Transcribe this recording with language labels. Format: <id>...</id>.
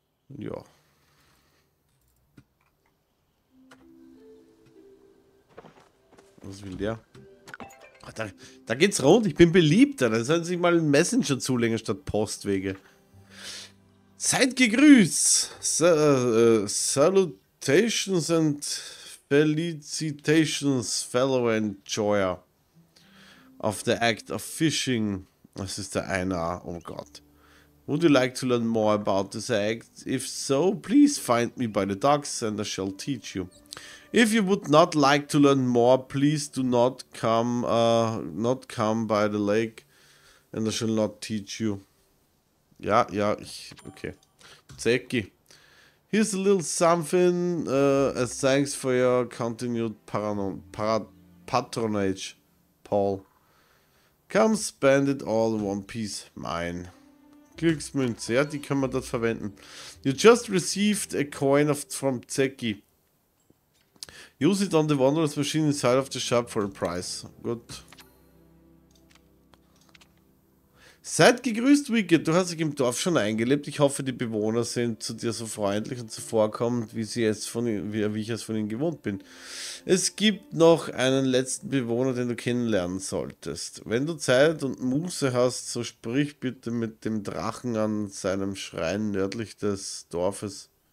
<de>Ja. Was will der? Ach, da geht's rund. Ich bin beliebter. Da sollen sich mal einen Messenger zulegen statt Postwege. Seid gegrüßt!</de> <en>Salutations and felicitations, fellow enjoyer of the act of fishing.</en> <de>Das ist der Einer, oh Gott.</de> <en>Would you like to learn more about this act? If so, please find me by the docks and I shall teach you. If you would not like to learn more, please do not come, by the lake and I shall not teach you. Ja, ja, ich, okay. Zeki. Here's a little something as thanks for your continued patronage, Paul. Come spend it all in one piece, mine.</en> <de>Glücksmünze, ja, die kann man dort verwenden.</de> <en>You just received a coin from Zeki. Use it on the wondrous machine inside of the shop for a price.</en> <de>Gut. Seid gegrüßt, Wicked. Du hast dich im Dorf schon eingelebt. Ich hoffe, die Bewohner sind zu dir so freundlich und zuvorkommend, wie ich es von ihnen gewohnt bin. Es gibt noch einen letzten Bewohner, den du kennenlernen solltest. Wenn du Zeit und Muße hast, so sprich bitte mit dem Drachen an seinem Schrein nördlich des Dorfes.</de>